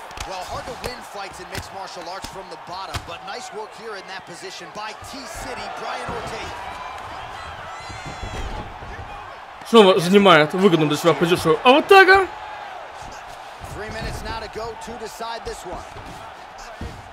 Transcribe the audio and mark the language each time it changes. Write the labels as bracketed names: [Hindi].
[English] Well, hard to win fights in mixed martial arts from the bottom, but nice work here in that position by T-City, Brian Ortega. [Russian] Снова занимает выгодную для себя позицию Ортега. [English] Three minutes now to go to decide this one.